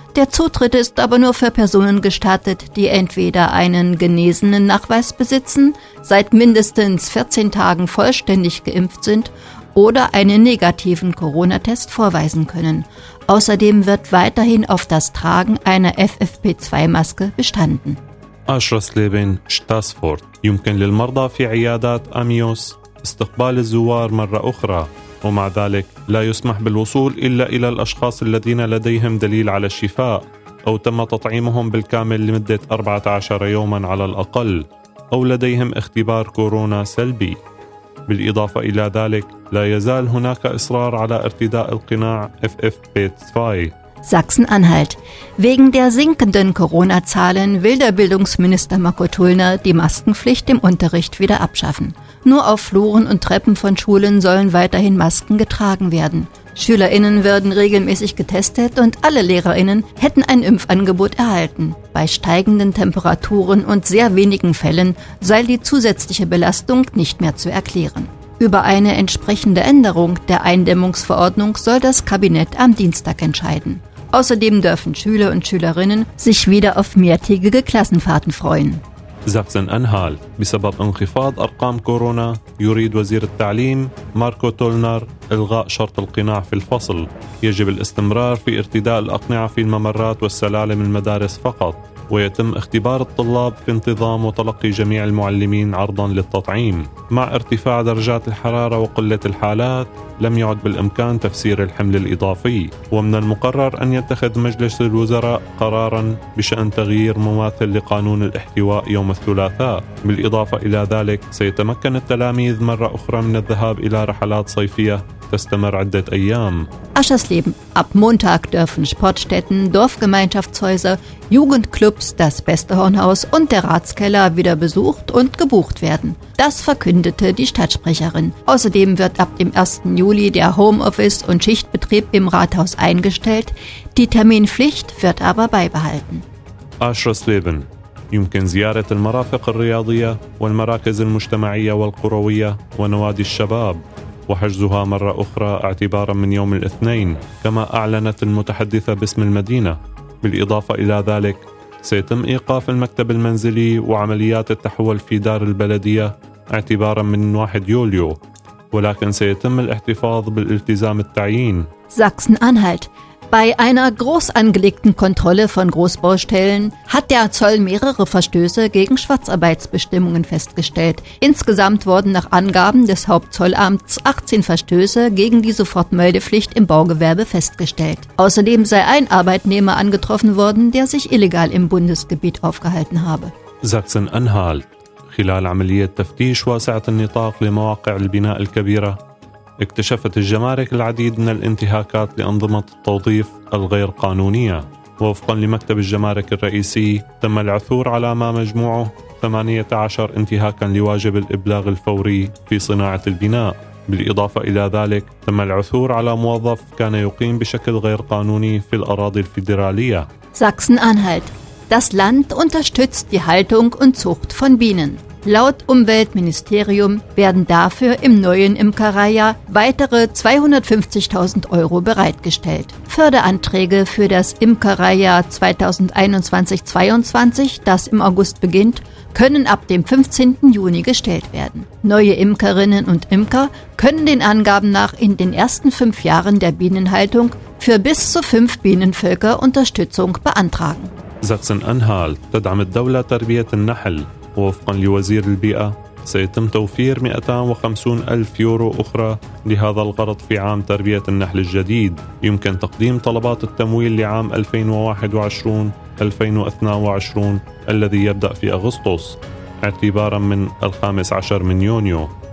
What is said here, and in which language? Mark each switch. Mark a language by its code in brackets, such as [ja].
[de] Der Zutritt ist aber nur für Personen gestattet, die entweder einen genesenen Nachweis besitzen, seit mindestens 14 Tagen vollständig geimpft sind oder einen negativen Corona-Test vorweisen können. Außerdem wird weiterhin auf das Tragen einer FFP2-Maske bestanden. Aschersleben, Staßfort. [ar] يمكن للمرضى في عيادات أميوس استقبال الزوار مرة أخرى. ومع ذلك لا يسمح بالوصول إلا إلى الأشخاص الذين لديهم دليل على الشفاء أو تم تطعيمهم بالكامل لمدة 14 يوما على الأقل أو لديهم اختبار كورونا سلبي. بالإضافة إلى ذلك لا يزال هناك إصرار على ارتداء القناع FFP2. [de] Sachsen-Anhalt. Wegen der sinkenden Corona-Zahlen will der Bildungsminister Marco Tullner die Maskenpflicht im Unterricht wieder abschaffen. Nur auf Fluren und Treppen von Schulen sollen weiterhin Masken getragen werden. SchülerInnen werden regelmäßig getestet und alle LehrerInnen hätten ein Impfangebot erhalten. Bei steigenden Temperaturen und sehr wenigen Fällen sei die zusätzliche Belastung nicht mehr zu erklären. Über eine entsprechende Änderung der Eindämmungsverordnung soll das Kabinett am Dienstag entscheiden. Außerdem dürfen Schüler und Schülerinnen sich wieder auf mehrtägige Klassenfahrten freuen. Sachsen-Anhalt. [ar] بسبب انخفاض أرقام كورونا يريد وزير التعليم ماركو تولنر إلغاء شرط القناع في الفصل. يجب الاستمرار في ارتداء الأقنعة في الممرات والسلالم المدارس فقط. ويتم اختبار الطلاب في انتظام وتلقي جميع المعلمين عرضا للتطعيم. مع ارتفاع درجات الحرارة وقلة الحالات لم يعد بالإمكان تفسير الحمل الإضافي. ومن المقرر أن يتخذ مجلس الوزراء قرارا بشأن تغيير مماثل لقانون الاحتواء يوم الثلاثاء. بالإضافة إلى ذلك سيتمكن التلاميذ مرة أخرى من الذهاب إلى رحلات صيفية تستمر عدة أيام. [de] Aschersleben. Ab Montag dürfen Sportstätten, Dorfgemeinschaftshäuser, Jugendclubs, das Bestehornhaus und der Ratskeller wieder besucht und gebucht werden. Das verkündete die Stadtsprecherin. Außerdem wird ab dem 1. Juli der Homeoffice- und Schichtbetrieb im Rathaus eingestellt. Die Terminpflicht wird aber beibehalten. Aschersleben. [ar] يمكن زيارة المرافق الرياضية والمراكز المجتمعية والقروية ونوادي الشباب وحجزها مرة أخرى اعتبارا من يوم الاثنين كما أعلنت المتحدثة باسم المدينة بالإضافة إلى ذلك سيتم إيقاف المكتب المنزلي وعمليات التحول في دار البلدية اعتبارا من 1 يوليو ولكن سيتم الاحتفاظ بالالتزام التعيين [de] Sachsen-Anhalt. Bei einer groß angelegten Kontrolle von Großbaustellen hat der Zoll mehrere Verstöße gegen Schwarzarbeitsbestimmungen festgestellt. Insgesamt wurden nach Angaben des Hauptzollamts 18 Verstöße gegen die Sofortmeldepflicht im Baugewerbe festgestellt. Außerdem sei ein Arbeitnehmer angetroffen worden, der sich illegal im Bundesgebiet aufgehalten habe. Sachsen-Anhalt. [ar] خلال عملية تفتيش واسعة النطاق لمواقع البناء الكبيرة اكتشفت الجمارك العديد من الانتهاكات لأنظمة التوظيف الغير قانونية ووفقاً لمكتب الجمارك الرئيسي تم العثور على ما مجموعه 18 انتهاكاً لواجب الإبلاغ الفوري في صناعة البناء بالإضافة إلى ذلك تم العثور على موظف كان يقيم بشكل غير قانوني في الأراضي الفيدرالية [de] Sachsen-Anhalt. Das Land unterstützt die Haltung und Zucht von Bienen. Laut Umweltministerium werden dafür im neuen Imkereijahr weitere 250.000 Euro bereitgestellt. Förderanträge für das Imkereijahr 2021-22, das im August beginnt, können ab dem 15. Juni gestellt werden. Neue Imkerinnen und Imker können den Angaben nach in den ersten 5 Jahren der Bienenhaltung für bis zu 5 Bienenvölker Unterstützung beantragen. [ar] ساكسن-أنهالت تدعم الدولة تربية النحل، ووفقاً لوزير البيئة سيتم توفير 250 ألف يورو أخرى لهذا الغرض في عام تربية النحل الجديد. يمكن تقديم طلبات التمويل لعام 2021-2022 الذي يبدأ في أغسطس اعتباراً من 15 يونيو.